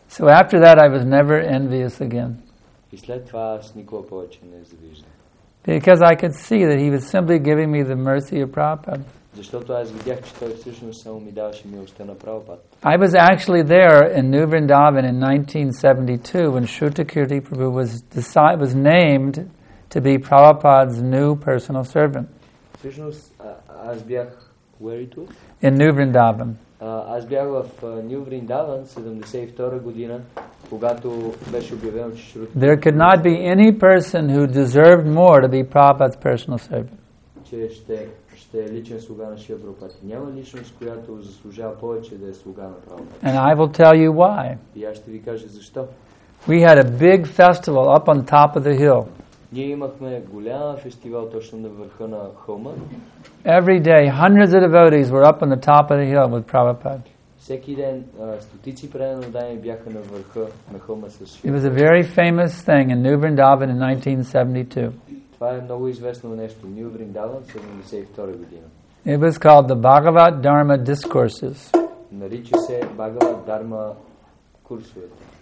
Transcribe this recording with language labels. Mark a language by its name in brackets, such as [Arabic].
[English] So after that I was never envious again. [Bulgarian] И след това аз никога повече не завиждам. [English] Because I could see that he was simply giving me the mercy of Prabhupada. [Bulgarian] Защото аз видях, че той всъщност само ми даваше милостта на Прабхупада. [English] I was actually there in New Vrindavan in 1972 when Shruta Kirti Prabhu was named to be Prabhupada's new personal servant. [Bulgarian] Всъщност аз бях [English] where it was? In New Vrindavan. [Bulgarian] Аз бях в New Vrindavan 72-а година, когато беше обявено, че Шрута Кирти. [English] There could not be any person who deserved more to be Prabhupada's personal servant. [Bulgarian] Че ще е личен слуга на Шрила Прабхупада. Няма личност, която заслужава повече да е слуга на Прабхупада. [English] And I will tell you why. [Bulgarian] И аз ще ви кажа защо. [English] We had a big festival up on top of the hill. [Bulgarian] Ние имахме голям фестивал точно на върха на хълма. [English] Every day, hundreds of devotees were up on the top of the hill with Prabhupada. [Bulgarian] Всеки ден стотици предани бяха на върха на хълма със свят. [English] It was a very famous thing in New Vrindavan in 1972. [Bulgarian] Това е много известно нещо. New Vrindavan, 72-та година. [English] It was called the Bhagavad Dharma Discourses. [Bulgarian] Нарича се Bhagavad Dharma курсовете.